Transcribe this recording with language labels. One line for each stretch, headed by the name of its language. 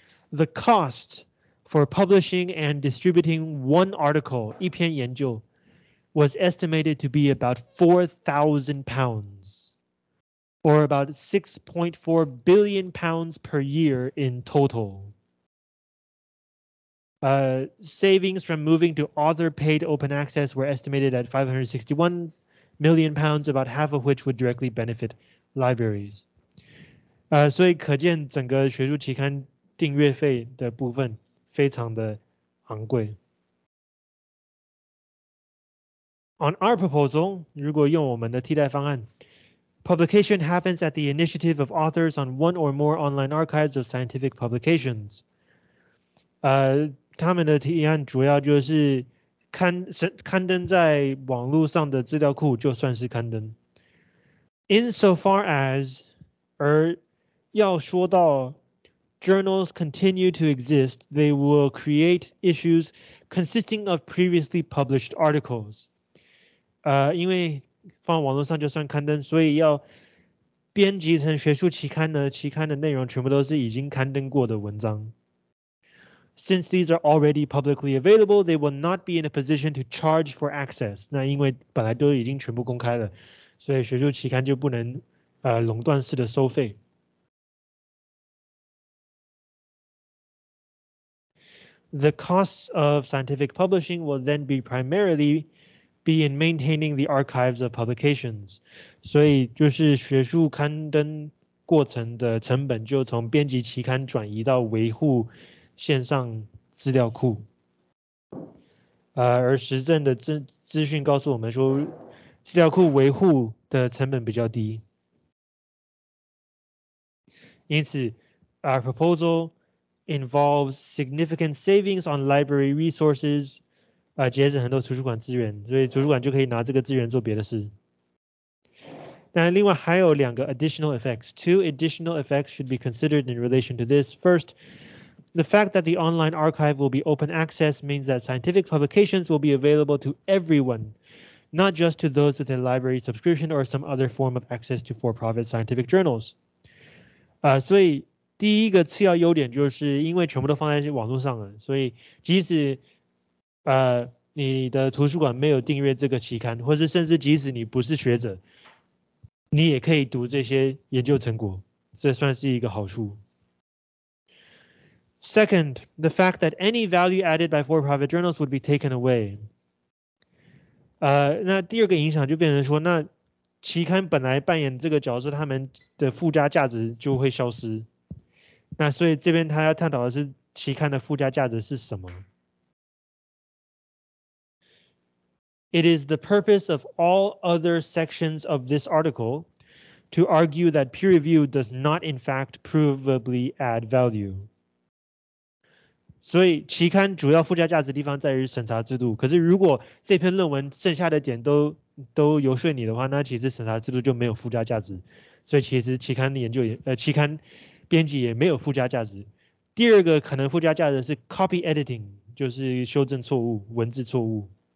English: The cost for publishing and distributing one article,
Chinese: 一篇研究
English: was estimated to be about £4,000, or about £6.4 billion per year in total. Savings from moving to author-paid open access were estimated at £561 million, about half of which would directly benefit libraries.
Chinese: 所以可见整个学术期刊订阅费的部分非常的昂贵。
English: On our proposal,
Chinese: 如果用我们的替代方案
English: publication happens at the initiative of authors on one or more online archives of scientific publications.
Chinese: 他们的提案主要就是刊登在网络上的资料库就算是刊登。
English: Insofar as,
Chinese: 而要说到
English: journals continue to exist, they will create issues consisting of previously published articles.
Chinese: 因为放网络上就算刊登，所以要编辑成学术期刊呢，期刊的内容全部都是已经刊登过的文章。
English: Since these are already publicly available, they will not be in a position to charge for access.
Chinese: 那因为本来都已经全部公开了，所以学术期刊就不能垄断式的收费。
English: The costs of scientific publishing will then be primarily. Be in maintaining the archives of publications.
Chinese: 所以就是学术刊登过程的成本就从编辑期刊转移到维护线上资料库。而实证的资讯告诉我们说资料库维护的成本比较低。因此
English: our proposal involves significant savings on library resources.
Chinese: 节省很多图书馆资源，所以图书馆就可以拿这个资源做别的事。那另外还有两个
English: additional effects， two additional effects should be considered in relation to this. First, the fact that the online archive will be open access means that scientific publications will be available to everyone, not just to those with a library subscription or some other form of access to for-profit scientific journals.
Chinese: 所以第一个次要优点就是因为全部都放在网络上了，所以即使你的图书馆没有订阅这个期刊，或是甚至即使你不是学者，你也可以读这些研究成果，这算是一个好处。
English: Second, the fact that any value added by for-profit journals would be taken away.
Chinese: 那第二个影响就变成说，那期刊本来扮演这个角色，他们的附加价值就会消失。那所以这边他要探讨的是期刊的附加价值是什么。
English: It is the purpose of all other sections of this article to argue that peer review does not, in fact, provably add value.
Chinese: 所以期刊主要附加价值的地方在于审查制度。可是如果这篇论文剩下的点都游说你的话，那其实审查制度就没有附加价值。所以其实期刊研究期刊编辑也没有附加价值。第二个可能附加价值是 copy editing， 就是修正错误，文字错误。